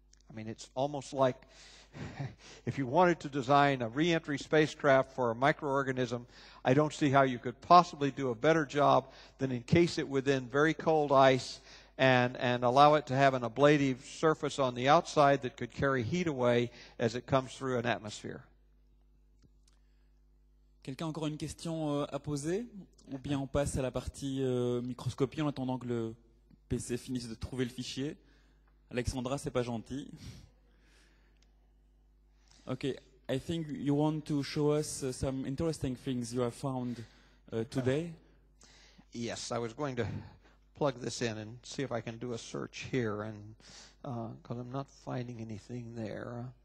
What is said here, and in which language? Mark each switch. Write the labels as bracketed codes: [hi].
[en] I mean, it's almost like if you wanted to design a reentry spacecraft for a microorganism, I don't see how you could possibly do a better job than encase it within very cold ice and allow it to have an ablative surface on the outside that could carry heat away as it comes through an atmosphere. [fr] Quelqu'un a encore une question à poser? Ou bien on passe à la partie microscopie en attendant que le PC finisse de trouver le fichier. Alexandra, c'est pas gentil. [en] Okay, I think you want to show us some interesting things you have found today. Yes, I was going to plug this in and see if I can do a search here, and because I'm not finding anything there.